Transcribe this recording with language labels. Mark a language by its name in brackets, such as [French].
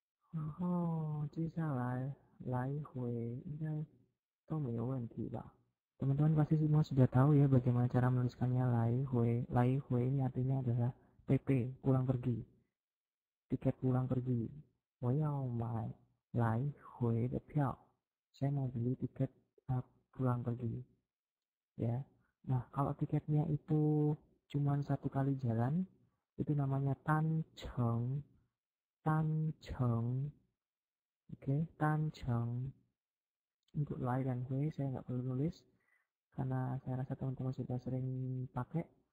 [Chinese] 然后接下来 来回应该都没有问题吧？ [Indonesian] Teman-teman pasti semua sudah tahu ya bagaimana cara menuliskannya lai-hui. Lai-hui ini artinya adalah PP, pulang pergi. Tiket pulang pergi. [Chinese] 我要买 lai-hui 的票. [Indonesian] Saya mau beli tiket pulang pergi. Ya. Nah, kalau tiketnya itu cuma satu kali jalan, itu namanya tan-cheng. Tan-cheng. Oke, tan-cheng. Untuk lai dan hui saya nggak perlu nulis karena saya rasa teman-teman sudah sering pakai.